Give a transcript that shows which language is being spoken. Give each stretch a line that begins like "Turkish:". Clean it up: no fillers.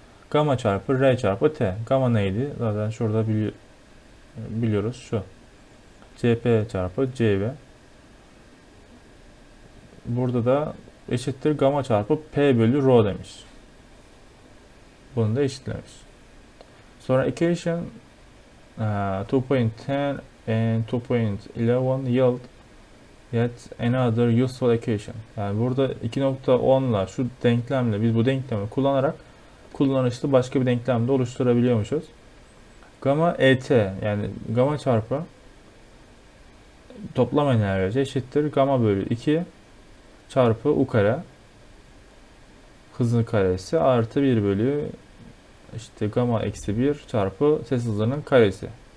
Turkish: Gama çarpı R çarpı T. Gama neydi? Zaten şurada biliyoruz şu. CP çarpı CV. Burada da eşittir gama çarpı P bölü rho demiş. Bunu da eşitlemiş. Sonra
English: equation 2.10 and 2.11 yield yet another useful equation.
Turkish: Yani burada 2.10 ile şu denklemle, biz bu denklemi kullanarak kullanışlı başka bir denklem de oluşturabiliyormuşuz. Gama ET, yani gama çarpı toplam enerji eşittir gama bölü 2 çarpı u kare hızın karesi artı 1 bölü işte gama eksi 1 çarpı ses hızının karesi.